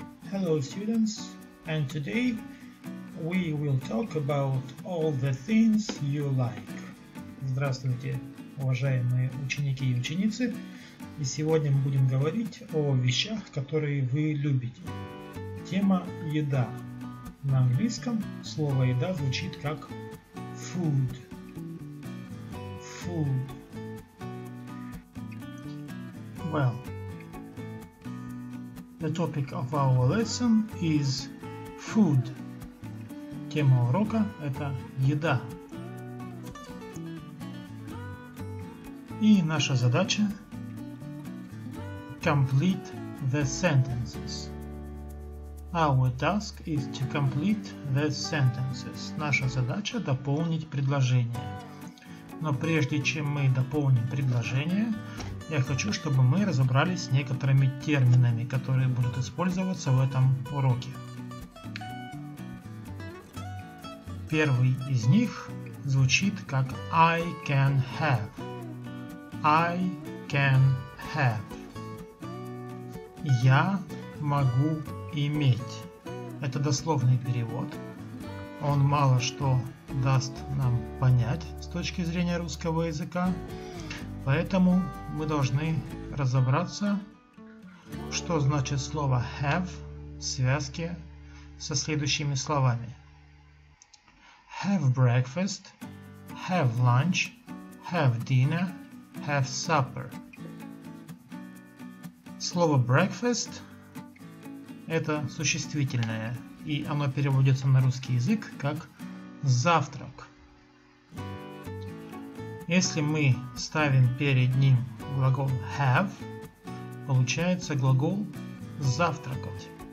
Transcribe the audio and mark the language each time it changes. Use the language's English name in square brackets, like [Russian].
[English] Hello students, and today we will talk about all the things you like. [Russian] Здравствуйте, уважаемые ученики и ученицы. И сегодня мы будем говорить о вещах, которые вы любите. Тема «Еда». На английском слово «еда» звучит как «food». [English] Food. Well, the topic of our lesson is food. [Russian] Тема урока – это еда. И наша задача – [English] complete the sentences. Our task is to complete the sentences. [Russian] Наша задача – дополнить предложение. Но прежде чем мы дополним предложение, я хочу, чтобы мы разобрались с некоторыми терминами, которые будут использоваться в этом уроке. Первый из них звучит как [English] I can have. I can have. [Russian] Я могу иметь. Это дословный перевод. Он мало что даст нам понять с точки зрения русского языка. Поэтому мы должны разобраться, что значит слово have в связке со следующими словами. [English] Have breakfast, have lunch, have dinner, have supper. [Russian] Слово breakfast – это существительное, и оно переводится на русский язык как «завтрак». Если мы ставим перед ним глагол have, получается глагол завтракать.